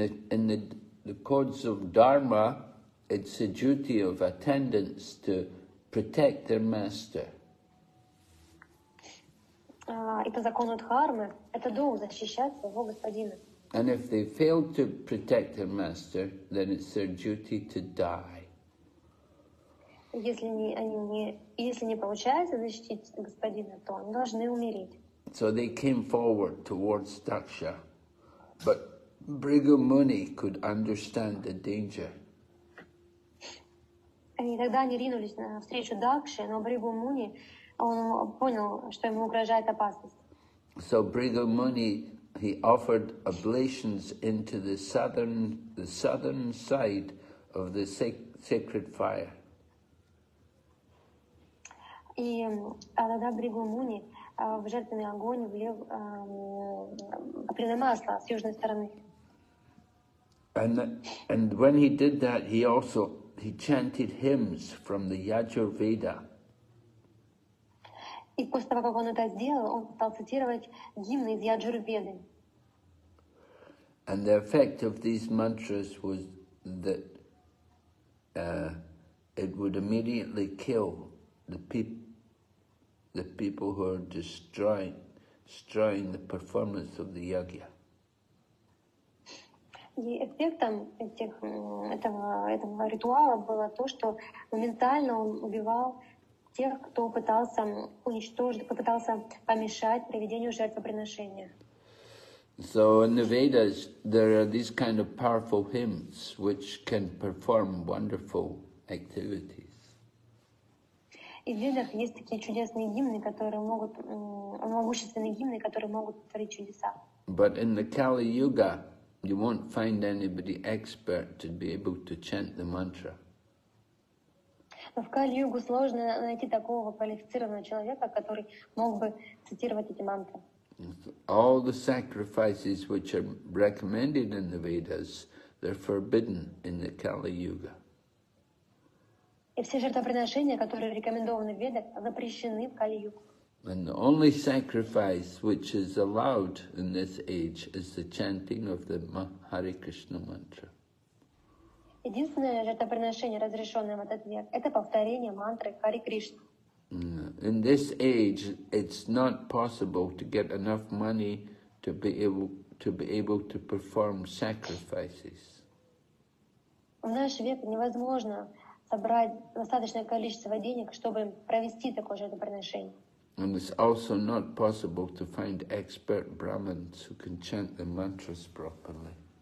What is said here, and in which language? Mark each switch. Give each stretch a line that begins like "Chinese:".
English: In the codes of Dharma, it's a duty of attendants to protect their master.
Russian: И по закону Дхармы, это долг защищать своего господина.
English: And if they fail to protect their master, then it's their duty to die.
Russian: Если не получается защитить господина, то они должны умереть.
English: So they came forward towards Daksha, but Bhrigu Muni could understand the danger.
Russian: И тогда они ринулись навстречу Дакше, но Бригу Муни он понял, что ему угрожает опасность.
English: So Brigham Muni, he offered oblations into the southern side of the sacred fire.
Russian: И тогда Бригум Муни в жертвенный огонь влил масло с южной стороны.
English: And when he did that, he also chanted hymns from the Yajurveda.
Russian: И после того, как он это сделал, он стал цитировать гимны из Яджурведы.
English: And the effect of these mantras was that it would immediately kill the people who are destroying the performance of the yajna.
Russian: И эффектом этого ритуала было то, что моментально он убивал тех, кто пытался уничтожить, попытался помешать проведению жертвоприношения.
English: So in the Vedas there are these kind of powerful hymns which can perform wonderful activities.
Russian: И в Ведах есть такие чудесные гимны, которые могут могущественные гимны, которые могут творить чудеса.
English: But in the Kali Yuga you won't find anybody expert to be able to chant the mantra.
Russian: Но в Кали-Югу сложно найти такого квалифицированного человека, который мог бы цитировать эти мантры.
English: All the sacrifices which are recommended in the Vedas, they're forbidden in the Kali-Yuga.
Russian: И все жертвоприношения, которые рекомендованы в Ведах, запрещены в Кали-Югу.
English: And the only sacrifice which is allowed in this age is the chanting of the Hare Krishna mantra.
Russian: Единственное жертвоприношение, разрешенное в этот век, это повторение мантры Хари Кришна.
English: In this age, it's not possible to get enough money to be able to perform sacrifices.
Russian: В наш век невозможно собрать достаточное количество денег, чтобы провести такое жертвоприношение.
English: And it's also not possible to find expert Brahmins who can chant the mantras properly.